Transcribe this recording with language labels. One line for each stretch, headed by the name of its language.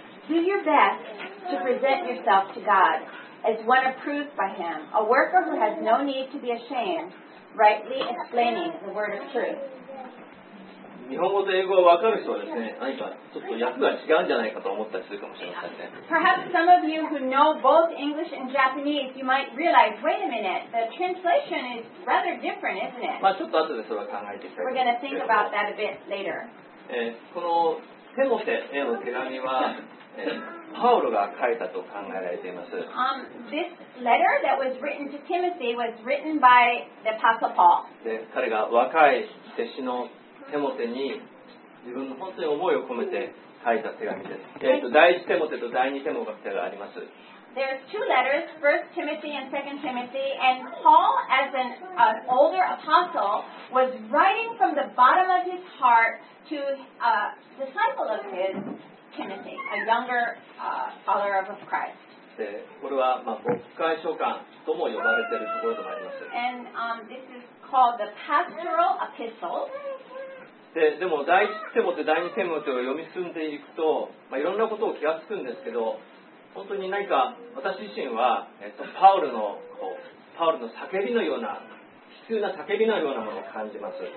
English: Do your best to present yourself to God as one approved by Him, a worker who has no need to be ashamed, rightly explaining the word of truth.
Japanese: 日本語と英語は分かる人はですね、何かちょっと訳が違うんじゃないかと思ったりするかもしれませんね。
English: Perhaps some of you who know both English and Japanese, you might realize, wait a minute, the translation is rather different, isn't it?
Japanese: まあちょっと後でそれは考えていきたい。
English: We're going to think about that a bit later.
Japanese: この手の手への手紙は、パウロが書いたと考えられています。
English: This letter that was written to Timothy was written by the Apostle Paul.
Japanese: で、彼が若い弟子の手もてに自分の本当に思いを込めて書いた手紙です。第一手もてと第二手もてがあります。
English: There are two letters, 1 Timothy and 2 Timothy, and Paul, as an older apostle, was writing from the bottom of his heart to a disciple of his, Timothy, a younger follower of Christ.
Japanese: で、これは、まあ、牧会書簡とも呼ばれているところでもあります。
English: And this is called the pastoral epistle.
Japanese: でも第一テモテ第二テモテを読み進んでいくと、まあ、いろんなことを気がつくんですけど、本当に何か私自身は、パウルの叫びのような悲痛な叫びのようなものを感じます。